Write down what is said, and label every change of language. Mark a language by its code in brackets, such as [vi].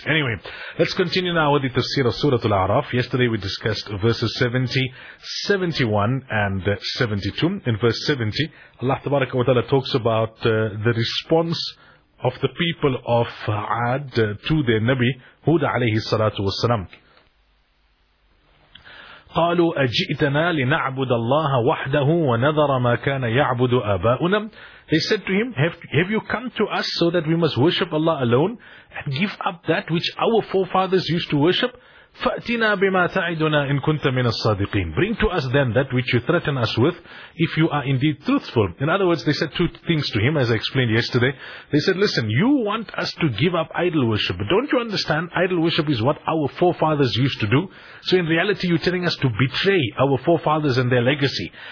[en] Anyway, let's continue now with the tafsir of Surah Al-A'raf. Yesterday we discussed verses 70, 71 and 72. In verse 70, Allah tabaraka wa ta'ala talks about the response of the people of Ad to their Nabi Hud alayhi salatu wasalam. [ar] قالوا أجئتنا لنعبد الله وحده ونذر ما كان يعبد آباؤنا. [en] They said to him, have you come to us so that we must worship Allah alone and give up that which our forefathers used to worship? [ar] فأتنا بما تعدنا إن كنت من الصادقين. [en] Bring to us then that which you threaten us with, if you are indeed truthful. In other words, they said two things to him, as I explained yesterday. They said, listen, you want us to give up idol worship, but don't you understand, idol worship is what our forefathers used to do. So in reality, you're telling us to betray our forefathers and their legacy.